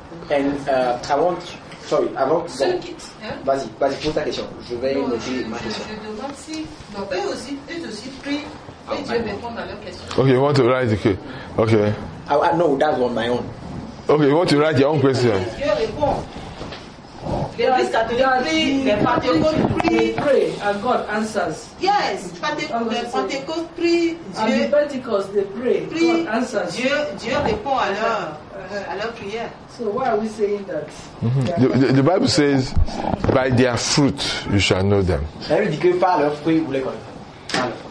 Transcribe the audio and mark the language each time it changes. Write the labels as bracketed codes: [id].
[fr] And vas-y, pose ta question. Je vais noter ma question. Je demande si eux aussi prient et Dieu répond [en] the okay. No, that's on my own. Okay, you want to write your own question. [fr] Dieu répond. L'Église catholique les Pentecôtes prient [en] and God answers. [fr] Yes, les Pentecôtes prient. [en] And the Pentecost they pray. God answers. [fr] Dieu répond à leur prière. [en] So why are we saying that? The Bible says, by their fruit you shall know them. [fr] Elle dit que par leurs fruits vous les connaissez.